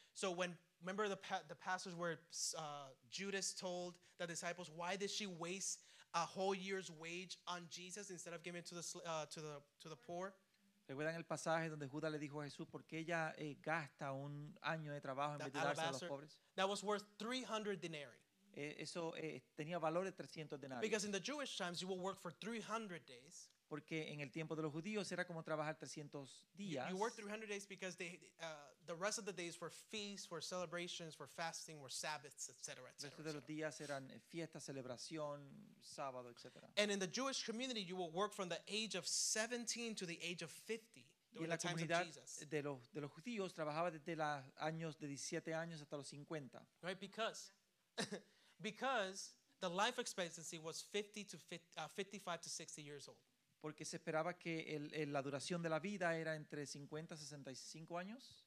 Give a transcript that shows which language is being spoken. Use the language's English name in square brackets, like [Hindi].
[English] So when, remember the passage where Judas told the disciples, why did she waste a whole year's wage on Jesus instead of giving it to the poor? [Spanish] ¿Recuerdan el pasaje donde Judas le dijo a Jesús por qué ella gasta un año de trabajo en vez de dárselo a los pobres? [English] That was worth 300 denarii. [Spanish] Eso tenía valor de 300 denarios. [English] Because in the Jewish times, you will work for 300 days. [Spanish] Porque en el tiempo de los judíos era como trabajar 300 días. [English] You work 300 days because the rest of the days were feasts, were celebrations, were fasting, were Sabbaths, etc. [Spanish] El resto de los días eran fiestas, celebración, sábado, etc. [English] And in the Jewish community, you will work from the age of 17 to the age of 50. [Spanish] Y en la comunidad de los judíos trabajaba desde los años de 17 años hasta los 50. [English] Right, because the life expectancy was 55 to 60 years old. [Spanish] Porque se esperaba que la duración de la vida era entre 50 y 65 años.